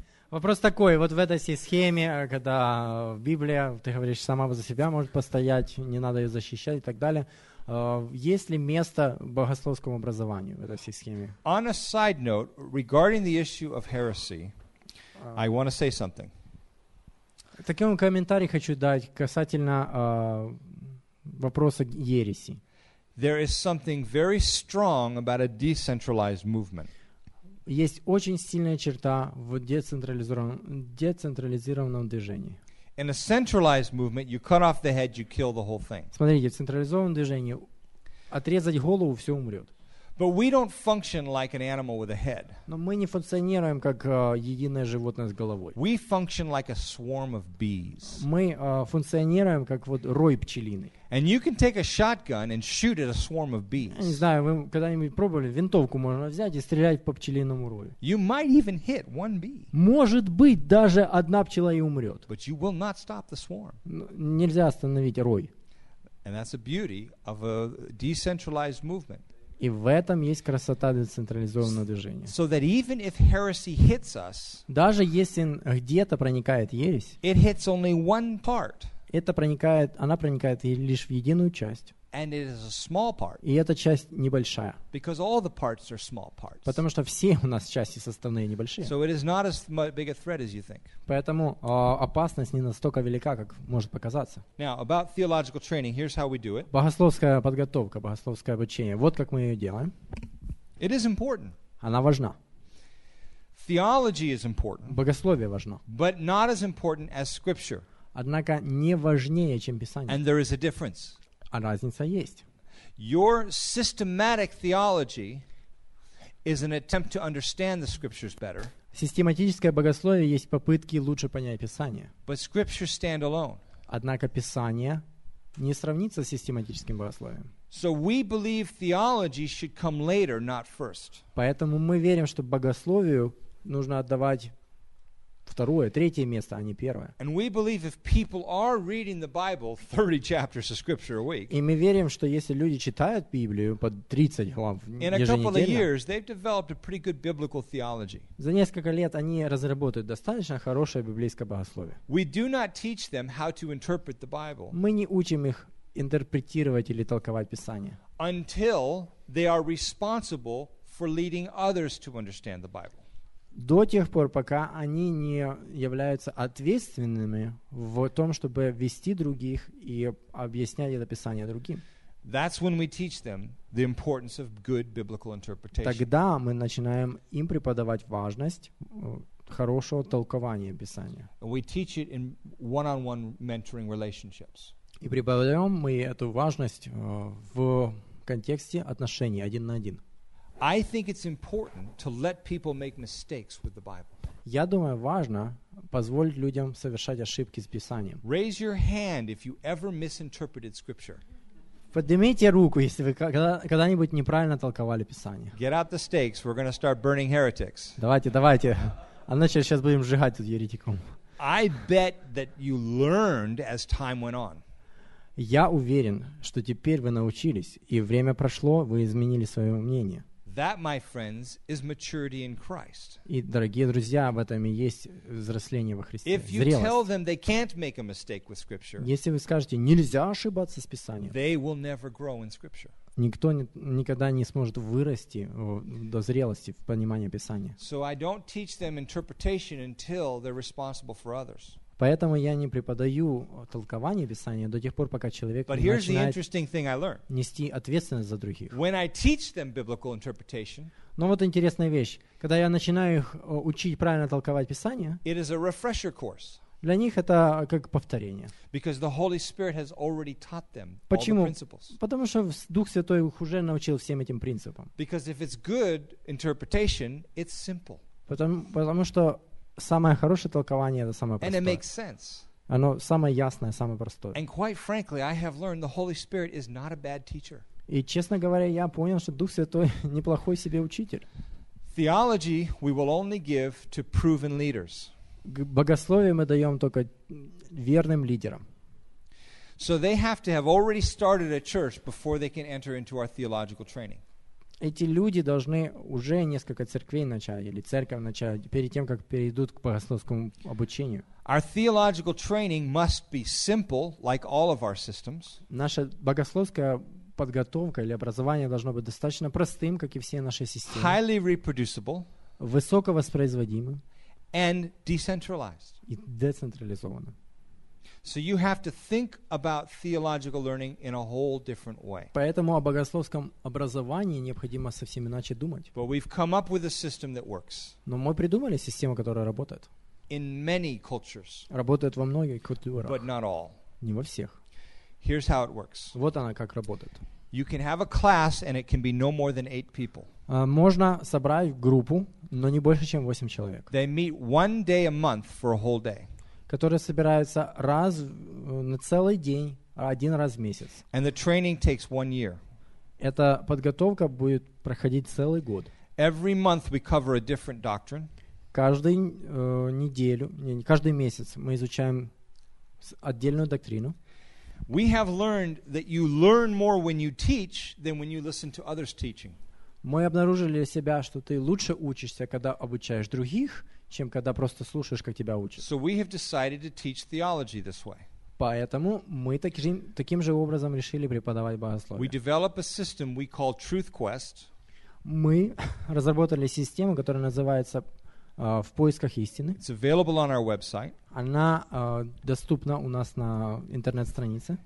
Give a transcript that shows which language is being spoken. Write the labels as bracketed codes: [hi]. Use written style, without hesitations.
[ru] Вопрос такой, вот в этой схеме, когда Библия, ты говоришь, сама за себя может постоять, не надо ее защищать и так далее, есть ли место богословскому образованию в этой схеме? [en] On a side note, regarding the issue of heresy, I want to say something. [ru] Таким комментарий хочу дать касательно вопроса ереси. [en] There is something very strong about a decentralized movement. [ru] Есть очень сильная черта в децентрализованном движении. [en] In a centralized movement, you cut off the head, you kill the whole thing. [ru] Смотрите, в централизованном движении отрезать голову, все умрет. [en] But we don't function like an animal with a head. [ru] Но мы не функционируем как единое животное с головой. [en] We function like a swarm of bees. [ru] Мы функционируем как вот рой пчелиный. [en] And you can take a shotgun and shoot at a swarm of bees. [ru] Я не знаю, вы когда-нибудь пробовали винтовку можно взять и стрелять по пчелиному рою? [en] You might even hit one bee. [ru] Может быть, даже одна пчела и умрет. [en] But you will not stop the swarm. [ru] Нельзя остановить рой. [en] And that's the beauty of a decentralized movement. [ru] И в этом есть красота децентрализованного движения. [en] So that even if heresy hits us, [ru] даже если где-то проникает ересь, [en] it hits only one part. [ru] Это проникает, она проникает лишь в единую часть. [en] And it is a small part. [ru] И эта часть небольшая. [en] Because all the parts are small parts. [ru] Потому что все у нас части составные небольшие. [en] So it is not as big a threat as you think. [ru] Поэтому опасность не настолько велика, как может показаться. [en] Now, about theological training, here's how we do it. [ru] Богословская подготовка, богословское обучение. Вот как мы ее делаем. [en] It is important. [ru] Она важна. [en] Theology is important. [ru] Богословие важно. [en] But not as important as scripture. [ru] Однако не важнее, чем Писание. [en] And there is a difference. [ru] А разница есть. [en] Your systematic theology is an attempt to understand the scriptures better. [ru] Систематическое богословие есть попытки лучше понять Писание. [en] But scriptures stand alone. [ru] Однако Писание не сравнится с систематическим богословием. [en] So we believe theology should come later, not first. [ru] Поэтому мы верим, что богословию нужно отдавать второе, третье место, а не первое. [en] And we believe if people are reading the Bible 30 chapters of scripture a week. [ru] И мы верим, что если люди читают Библию по 30 глав еженедельно. [en] In a couple of years, they've developed a pretty good biblical theology. [ru] За несколько лет они разработают достаточно хорошее библейское богословие. [en] We do not teach them how to interpret the Bible. [ru] Мы не учим их интерпретировать или толковать Писание. [en] Until they are responsible for leading others to understand the Bible. [ru] До тех пор, пока они не являются ответственными в том, чтобы вести других и объяснять это Писание другим. [en] That's when we teach them the importance of good biblical interpretation. [ru] Тогда мы начинаем им преподавать важность хорошего толкования Писания. [en] And we teach it in one-on-one mentoring relationships. [ru] И преподаем мы эту важность в контексте отношений один на один. [en] I think it's important to let people make mistakes with the Bible. [ru] Я думаю, важно позволить людям совершать ошибки с Писанием. [en] Raise your hand if you ever misinterpreted scripture. [ru] Поднимите руку, если вы когда-нибудь неправильно толковали Писание. [en] Get out the stakes, we're gonna start burning heretics. [ru] Давайте. А значит, сейчас будем сжигать тут еретиков. [en] I bet that you learned as time went on. [ru] Я уверен, что теперь вы научились, и время прошло, вы изменили свое мнение. [en] That, my friends, is maturity in Christ. [ru] И, дорогие друзья, в этом и есть взросление во Христе. [en] If you [ru] зрелость. [en] Tell them they can't make a mistake with Scripture, [ru] если вы скажете, нельзя ошибаться с Писанием, [en] they will never grow in Scripture. [ru] Никто никогда не сможет вырасти до зрелости в понимании Писания. [en] So I don't teach them interpretation until they're responsible for others. [ru] Поэтому я не преподаю толкование Писания до тех пор, пока человек [en] But [ru] не начинает нести ответственность за других. [en] When I teach them biblical interpretation, [ru] но вот интересная вещь. Когда я начинаю их учить правильно толковать Писание, [en] it is a refresher course. [ru] Для них это как повторение. [en] Because the Holy Spirit has already taught them [ru] Почему? [en] All the principles. [ru] Потому что Дух Святой их уже научил всем этим принципам. [en] Because if it's good interpretation, it's simple. [ru] Потому что самое хорошее толкование — это самое простое. [en] And it makes sense. [ru] Оно самое ясное, самое простое. [en] And quite frankly, I have learned the Holy Spirit is not a bad teacher. [ru] И, честно говоря, я понял, что Дух Святой неплохой себе учитель. [en] Theology we will only give to proven leaders. [ru] Богословие мы даем только верным лидерам. [en] So they have to have already started a church before they can enter into our theological training. [ru] Эти люди должны уже несколько церквей начать или церковь начать перед тем, как перейдут к богословскому обучению. [en] Our theological training must be simple, like all of our systems. [ru] Наша богословская подготовка или образование должно быть достаточно простым, как и все наши системы. [en] Highly reproducible. [ru] Высоковоспроизводимым. [en] And decentralized. [ru] И децентрализованным. [en] So you have to think about theological learning in a whole different way. [ru] Поэтому о богословском образовании необходимо совсем иначе думать. [en] But we've come up with a system that works. [ru] Но мы придумали систему, которая работает. [en] In many cultures. [ru] Работает во многих культурах. [en] But not all. [ru] Не во всех. [en] Here's how it works. [ru] Вот она как работает. [en] You can have a class and it can be no more than 8 people. [ru] Можно собрать группу, но не больше чем 8 человек. [en] They meet one day a month for a whole day. [ru] Которые собираются раз на целый день, один раз в месяц. [en] And the training takes one year. [ru] Эта подготовка будет проходить целый год. [en] Every month we cover a different doctrine. [ru] Каждый месяц мы изучаем отдельную доктрину. [en] We have learned that you learn more when you teach than when you listen to others teaching. [ru] Мы обнаружили для себя, что ты лучше учишься, когда обучаешь других, чем когда просто слушаешь, как тебя учат. [en] So we have decided to teach theology this way. [ru] Поэтому мы таким же образом решили преподавать богословие. [en] We develop a system we call Truth Quest. [ru] Мы разработали систему, которая называется «В поисках истины». [en] It's available on our website. [ru] Она доступна у нас на интернет-странице.